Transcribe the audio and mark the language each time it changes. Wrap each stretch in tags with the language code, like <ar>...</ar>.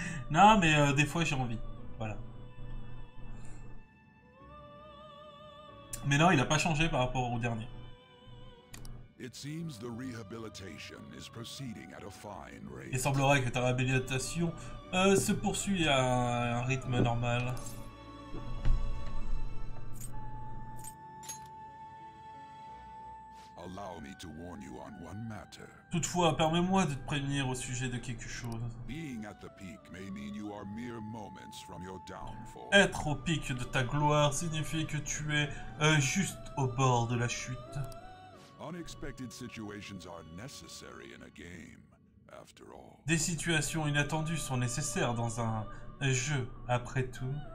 <fr>Non, mais des fois j'ai envie. Voilà. Mais non, il n'a pas changé par rapport au dernier.</fr> <en>It seems the rehabilitation is proceeding at a fine rate.</en> <fr>Il semblerait que ta réhabilitation se poursuit à un rythme normal.</fr> <en>Allow me to warn you on one matter.</en> <fr>Toutefois, permets-moi de te prévenir au sujet de quelque chose.</fr> <en>Being at the peak may mean you are mere moments from your downfall.</en> <fr>Être au pic de ta gloire signifie que tu es juste au bord de la chute.</fr> <en>Unexpected situations are necessary in a game, after all.</en> <fr>Des situations inattendues sont nécessaires dans un jeu, après tout.</fr>